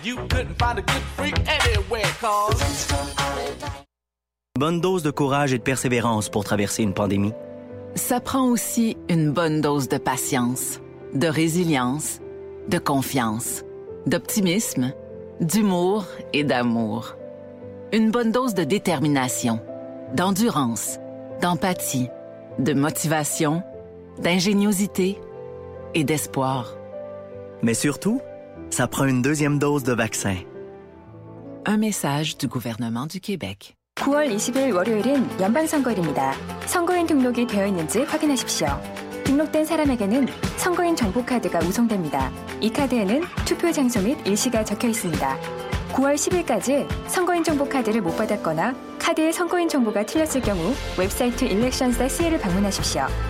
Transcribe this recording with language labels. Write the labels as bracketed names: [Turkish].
[English] You couldn't find a good freak anywhere, cause [French] bonne dose de courage et de persévérance pour traverser une pandémie. Ça prend aussi une bonne dose de patience, de résilience, de confiance, d'optimisme, d'humour et d'amour. Une bonne dose de détermination, d'endurance, d'empathie, de motivation, d'ingéniosité et d'espoir. Mais surtout, ça prend une deuxième dose de vaccin. Un message du gouvernement du Québec. [Korean] 9월 20일 월요일은 연방선거일입니다. 선거인 등록이 되어 있는지 확인하십시오. 등록된 사람에게는 선거인 정보카드가 우송됩니다. 이 카드에는 투표 장소 및 일시가 적혀 있습니다. 9월 10일까지 선거인 정보카드를 못 받았거나 카드에 선거인 정보가 틀렸을 경우 웹사이트 elections.ca를 방문하십시오.